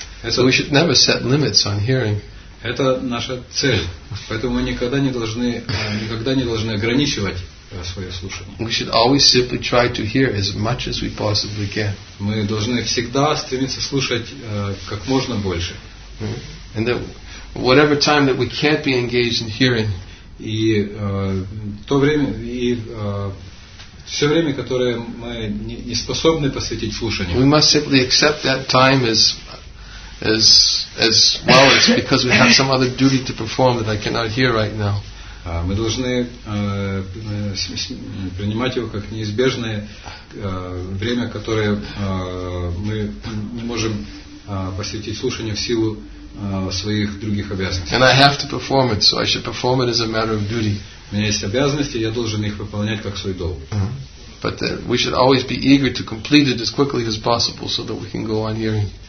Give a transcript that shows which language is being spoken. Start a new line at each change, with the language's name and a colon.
English: So we should never set limits on hearing.
Russian: Это наша цель. Поэтому мы никогда не должны ограничивать свое слушание.
English: We should always simply try to hear as much as we possibly can.
Russian: Мы должны всегда стремиться слушать как можно больше.
English: And then whatever time that we can't be engaged in hearing,
Russian: и то время, и все время, которое мы не способны посвятить слушанию,
English: we must simply accept that time as well as because we have some other duty to perform that I cannot hear right now.
Russian: Мы должны принимать его как неизбежное время, которое мы не можем посвятить слушанию в силу своих других обязанностей.
English: And I have to perform it, so I should perform it as a matter of duty.
Russian: У меня есть обязанности, я должен их выполнять как свой долг.
English: But we should always be eager to complete it as quickly as possible so that we can go on hearing.